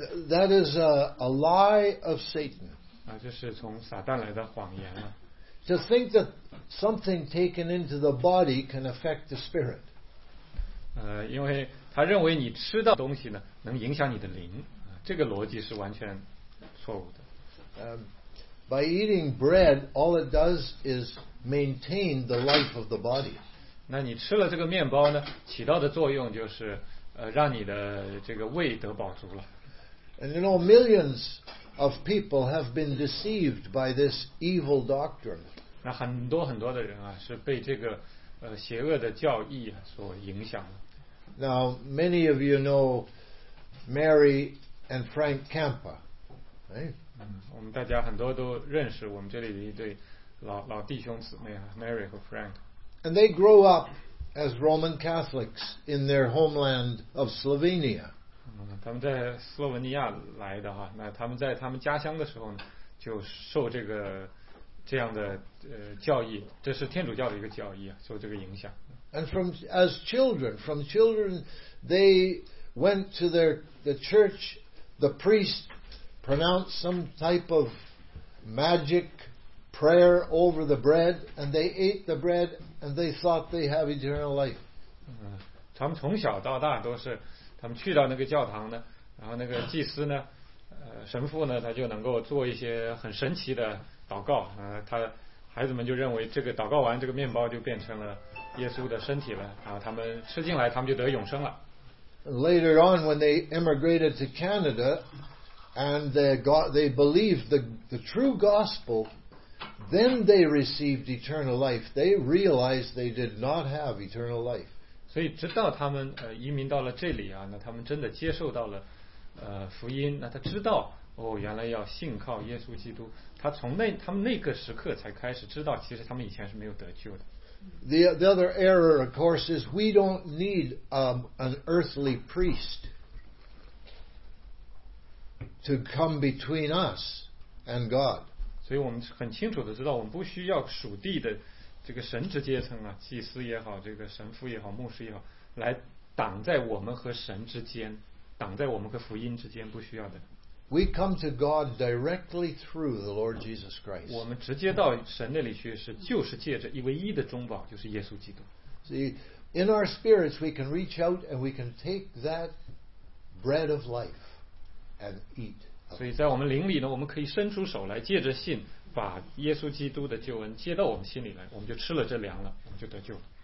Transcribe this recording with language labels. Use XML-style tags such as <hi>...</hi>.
<en>That is a lie of Satan.</en> <zh>啊，这是从撒旦来的谎言啊。</zh> <en>To think that something taken into the body can affect the spirit.</en> <zh>因为他认为你吃到东西呢，能影响你的灵，这个逻辑是完全错误的。</zh> <en>By eating bread, all it does is maintain the life of the body.</en> <zh>那你吃了这个面包呢，起到的作用就是让你的这个胃得饱足了。</zh> <en>And you know, millions of people have been deceived by this evil doctrine.</en> <zh>那很多很多的人啊，是被这个邪恶的教义所影响的。</zh> <en>Now, many of you know Mary and Frank Campa, right?</en> <zh>我们大家很多都认识我们这里的一对老弟兄姊妹啊， Mary 和 Frank。</zh> <en>And they grew up as Roman Catholics in their homeland of Slovenia.</en> <zh>他们在斯洛文尼亚来的哈，那他们在他们家乡的时候呢，就受这个这样的教义，这是天主教的一个教义啊，受这个影响。</zh> <en>And from children, they went to the church, the priest pronounced some type of magic. Prayer over the bread, and they ate the bread, and they thought they have eternal life.</en> <zh>他们从小到大都是，他们去到那个教堂呢，然后那个祭司呢，神父呢，他就能够做一些很神奇的祷告。他孩子们就认为这个祷告完，这个面包就变成了耶稣的身体了。然后他们吃进来，他们就得永生了。</zh> <en>Later on, when they immigrated to Canada, and they believed the true gospel. Then they received eternal life. They realized they did not have eternal life.</en> <zh>所以直到他们移民到了这里啊，那他们真的接受到了福音，那他知道哦，原来要信靠耶稣基督。他们那个时刻才开始知道，其实他们以前是没有得救的。</zh> <en>The other error, of course, is we don't need an earthly priest to come between us and God.</en> <zh>所以我们很清楚的知道，我们不需要属地的这个神职阶层啊，祭司也好，这个神父也好，牧师也好，来挡在我们和神之间，挡在我们和福音之间，不需要的。</zh> <en>We come to God directly through the Lord Jesus Christ.</en> <zh>我们直接到神那里去是，就是借着一唯一的中保，就是耶稣基督。</zh> <en>See, in our spirits, we can reach out and we can take that bread of life and eat.</en> <zh>所以在我们灵里呢，我们可以伸出手来，借着信把耶稣基督的救恩接到我们心里来，我们就吃了这粮了，我们就得救。</zh>